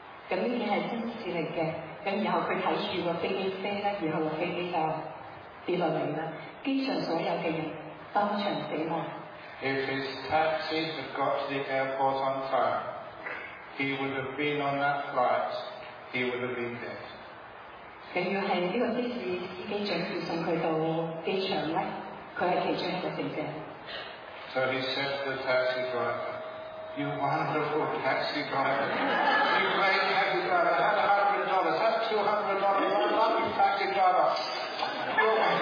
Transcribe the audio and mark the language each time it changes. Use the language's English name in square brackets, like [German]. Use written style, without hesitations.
[Cantonese] 咁呢件係真事嚟嘅，咁然後佢睇住個飛機飛咧，然後個飛機就跌落嚟啦，機上所有嘅人當場死亡。 [English] If his taxi had got to the airport on time, he would have been on that flight. He would have been dead. [Cantonese] 咁要係呢個的士司機準時送佢到機場咧，佢係其中一個乘客。 [English] So he said to the taxi driver, "You wonderful taxi driver, you great taxi driver, had $100, had $200, you're a lovely taxi driver."